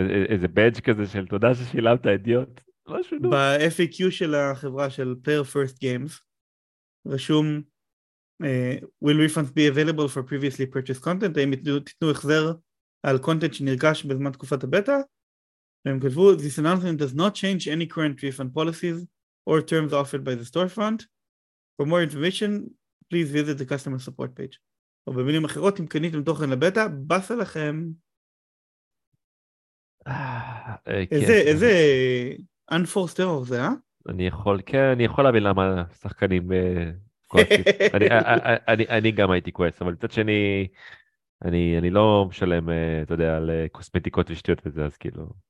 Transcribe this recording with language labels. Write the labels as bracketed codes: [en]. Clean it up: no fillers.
[he] איזה בג' כזה של תודה ששילמת, אידיוט. משהו נו. ב-FAQ של החברה של Player First Games, רשום, [en] will refunds be available for previously purchased content? [he] האם תיתנו החזר על קונטנט שנרכש בזמן תקופת הבטא? הם כתבו, [en] "This announcement does not change any current refund policies or terms offered by the storefront. For more information, please visit the customer support page." [he] או במילים אחרות, אם קניתם תוכן לבטא, בסה לכם. איזה unforced error זה, אה? אני יכול, כן, אני יכול להבין למה שחקנים כועסים. אני גם הייתי כועס, אבל מצד שני, אני לא משלם, אתה יודע, על קוסמטיקות ושטויות וזה, אז כאילו.